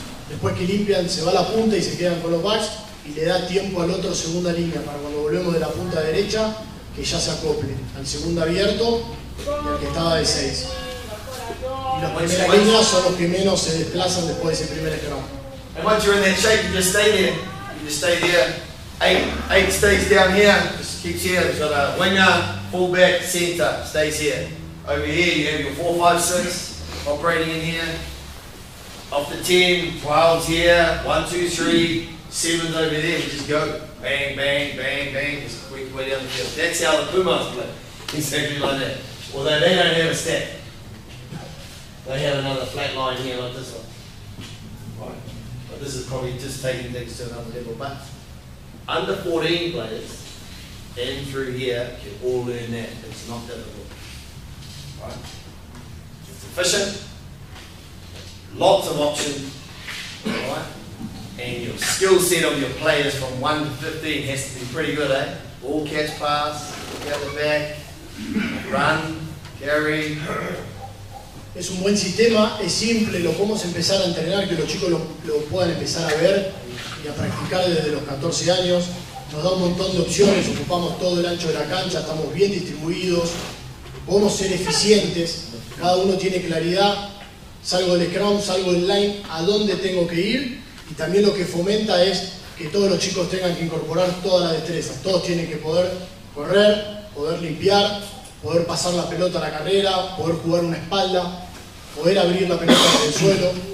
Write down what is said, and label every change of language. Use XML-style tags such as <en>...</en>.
<es>Después que limpian, se va a la punta y se quedan con los backs. Y le da tiempo al otro segunda línea para cuando volvemos de la punta derecha que ya se acople al segundo abierto y al que estaba de 6. Y las primeras líneas son los que menos se desplazan después de ese primer scrum.</es> <en>And once you're in that shape, you just stay there. You just stay there. Eight stays down here. Just keeps here. You've got a winger, fullback, center. Stays here. Over here, you have your 4, 5, 6 operating in here. Off the 10, 12's here. 1, 2, 3. 7's over there, just go bang, bang, bang, bang, just quick way down the field. That's how the Pumas play, exactly like that. Although they don't have a stack, they have another flat line here like this one. Right. But this is probably just taking things to another level. But under 14 players in through here can all learn that. It's not difficult. Right. It's efficient, lots of options. Right. And your skill set of your players from 1 to 15 has to be pretty good, eh? Ball catch pass, look out the back, run, carry.</en> <es>Es un buen sistema, es simple, lo podemos empezar a entrenar, que los chicos lo puedan empezar a ver. y a practicar desde los 14 años. Nos da un montón de opciones, ocupamos todo el ancho de la cancha, estamos bien distribuidos, podemos ser eficientes, cada uno tiene claridad, salgo del scrum, salgo del line, a dónde tengo que ir, y también lo que fomenta es que todos los chicos tengan que incorporar todas las destrezas, todos tienen que poder correr, poder limpiar, poder pasar la pelota a la carrera, poder jugar una espalda, poder abrir la pelota desde el suelo.</es>